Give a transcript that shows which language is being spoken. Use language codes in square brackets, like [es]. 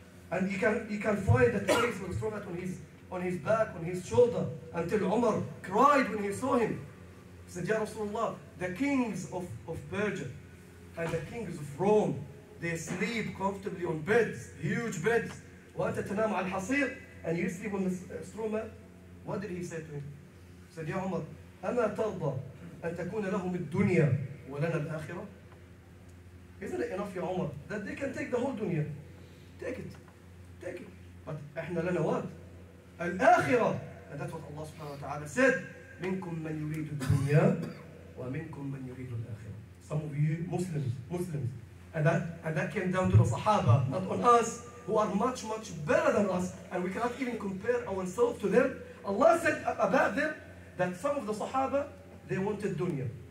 [en] And you can find the trace of the straw mat on his back, on his shoulder. Until Umar cried when he saw him. He said, Ya Rasulullah, the kings of Persia and the kings of Rome, they sleep comfortably on beds, huge beds. [ar] وأنت تنام على الحصير. [en] And you sleep on the straw mat. What did he say to him? [ar] سيد يا عمر أما ترضى أن تكون لهم الدنيا ولنا الآخرة؟ [en] Isn't it enough [ar] يا عمر [en] that they can take the whole dunya? Take it. But [ar] إحنا لنا [en] what? [ar] الآخرة. [en] And that's what Allah subhanahu wa ta'ala said. [ar] منكم من يريد الدنيا ومنكم من يريد الآخرة. [en] Some of you Muslims, and that came down to the Sahaba, not on us, who are much, much better than us, and we cannot even compare ourselves to them. Allah said about them that some of the Sahaba, they wanted dunya.